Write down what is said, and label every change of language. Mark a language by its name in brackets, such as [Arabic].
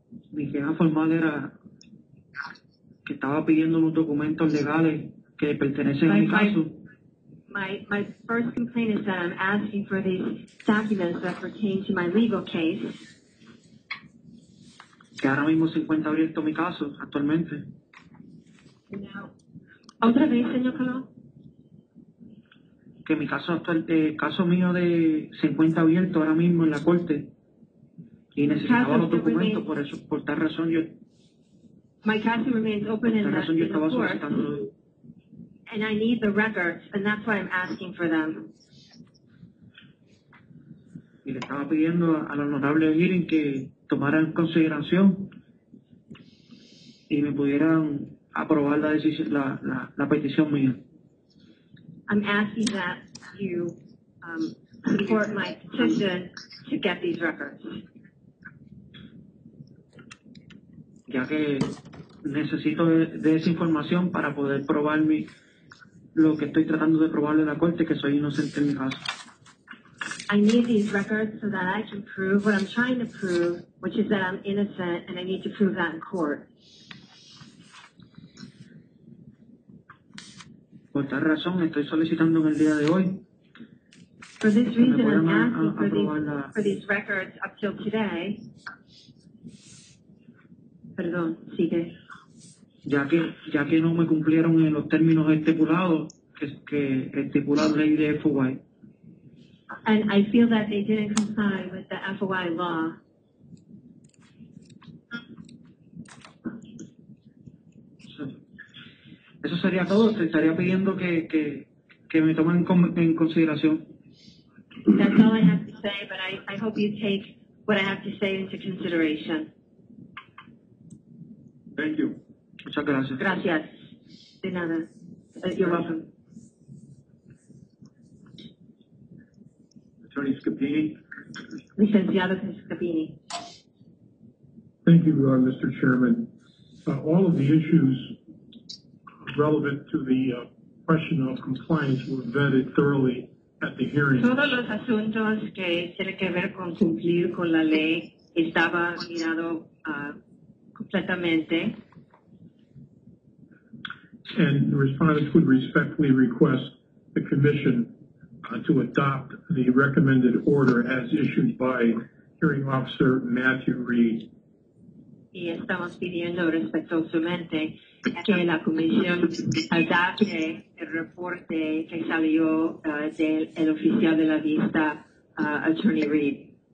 [Spanish] Mi queja formal era que estaba pidiendo unos documentos legales que pertenecen a mi caso. [English] My first complaint is that I'm asking for these documents that pertain to my legal case. [Spanish] Que ahora mismo se encuentra abierto mi caso actualmente. Now, otra vez, señor Colón. Que mi caso actual, caso mío de se encuentra abierto ahora mismo en la corte. Y necesitaba los documentos por eso, por tal razón yo. [English] My case remains open in the court. And I need the records, and that's why I'm asking for them. [Spanish] Y le estaba pidiendo al honorable Irin que tomara en consideración y me pudieran aprobar la decisión, la petición mía. [English] I'm asking that you support my petition to get these records. [Spanish] Ya que necesito de esa información para poder probar mi lo que estoy tratando de probarle a la corte que soy inocente en mi caso. [English] I need these records so that I can prove what I'm trying to prove, which is that I'm innocent, and I need to prove that in court. [Spanish] Por tal razón estoy solicitando en el día de hoy. [English] For this reason, I'm asking for these records up till today. [Spanish] Perdón, sigue. Ya que no me cumplieron en los términos estipulados que estipula la ley de FOI. [English] And I feel that they didn't comply with the FOI law. [Spanish] Eso sería todo. Te estaría pidiendo que me tomen en consideración. [English] That's all I have to say, but I hope you take what I have to say into consideration. Thank you. [Spanish] Muchas gracias. Gracias. De nada. [English] You're welcome. Attorney Scapini. [Spanish] Licenciado Scapini. [English] Thank you, Mr. Chairman. All of the issues relevant to the question of compliance were vetted thoroughly at the hearing. [Spanish] Todos los asuntos que tienen que ver con cumplir con la ley estaba mirado completamente. [English] And the respondents would respectfully request the commission to adopt the recommended order as issued by hearing officer Matthew Reed. [Spanish] Y estamos pidiendo respetuosamente que la comisión adapte el reporte que salió del oficial de la vista, Attorney Reed.